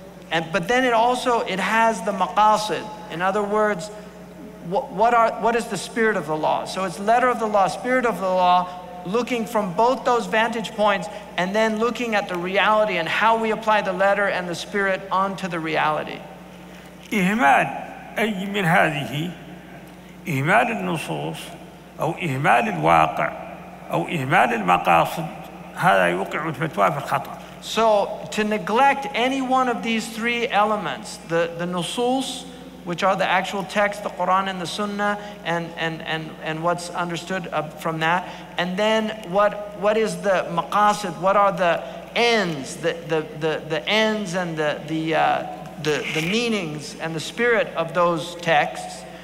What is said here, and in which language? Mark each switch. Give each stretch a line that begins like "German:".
English: And but then it also, it has the maqasid. In other words, what is the spirit of the law? So it's letter of the law, spirit of the law, looking from both those vantage points and then looking at the reality and how we apply the letter and the spirit onto the reality.
Arabic: إهمال أي من هذه إهمال النصوص أو إهمال الواقع أو إهمال المقاصد هذا يوقع الفتوى في الخطأ.
English: So to neglect any one of these three elements, the nusus, which are the actual text, the Quran and the Sunnah, and what's understood from that, and then what is the maqasid, what are the ends, the ends and the meanings and the spirit of those texts.